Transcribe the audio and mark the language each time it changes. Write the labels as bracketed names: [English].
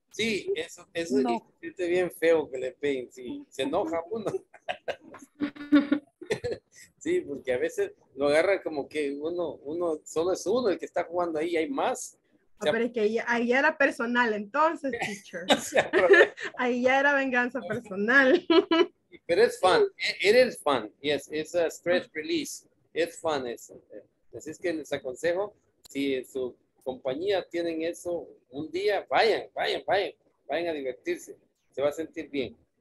[Spanish] Sí, eso no. Es bien feo que le peguen, sí, se enoja uno. Sí, porque a veces lo agarra como que uno solo es uno el que está jugando ahí, hay más. O sea, pero es que ahí era personal entonces, teacher. Ahí ya era venganza personal. Pero es [English] fun, it is fun, yes, it's a stress release, it's fun eso. [Spanish] Así es que les aconsejo, si en su compañía tienen eso un día, vayan a divertirse, se va a sentir bien.